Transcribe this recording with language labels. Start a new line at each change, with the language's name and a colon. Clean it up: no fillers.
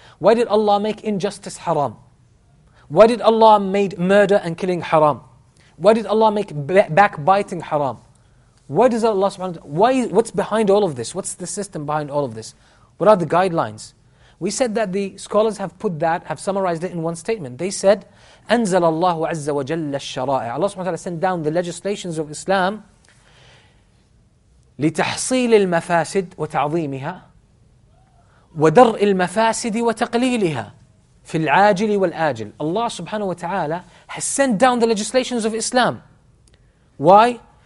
English: Why did Allah make injustice haram? Why did Allah made murder and killing haram? Why did Allah make backbiting haram? Why does Allah subhanahu wa ta'ala, what's behind all of this? What's the system behind all of this? What are the guidelines? We said that the scholars have summarized it in one statement. They said,
Arabic: أنزل الله عز وجل الشرائع.
English: Allah subhanahu wa ta'ala sent down the legislations of Islam
Arabic: لتحصيل المفاسد وتعظيمها ودرء المفاسد وتقليلها في العاجل والآجل.
English: Allah subhanahu wa ta'ala has sent down the legislations of Islam. Why?